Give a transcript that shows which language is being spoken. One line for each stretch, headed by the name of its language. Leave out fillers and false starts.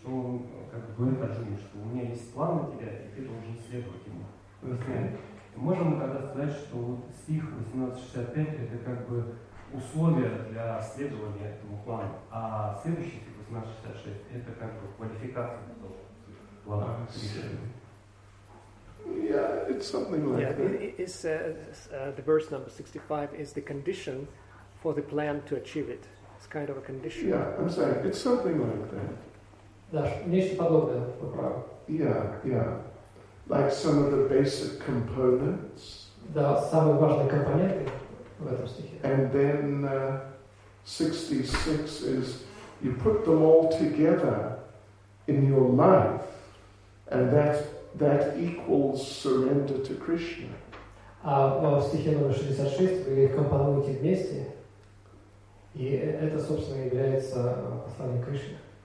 Russian: что он как бы говорит Арджуне, что у меня есть план на тебя, и ты должен следовать ему.
English: Okay.
Russian: Можем мы тогда сказать, что вот стих 18.65 это как бы условия для следования этому плану, а следующий стих 18.66 это как бы квалификация для того, чтобы план
English: Yeah, it's something like yeah, that. Yeah, it's the verse number 65 is the condition for the plan to achieve it. It's kind of a condition. Yeah, I'm sorry. It's something like that. Yeah. Like some of the basic components.
Russian: Да, самые важные компоненты в этом стихе.
English: And then 66 is you put them all together in your life, and that equals surrender to Krishna.
Russian: А в стихе номер 66 вы их компонуете вместе, и это, собственно, является посланием Кришны.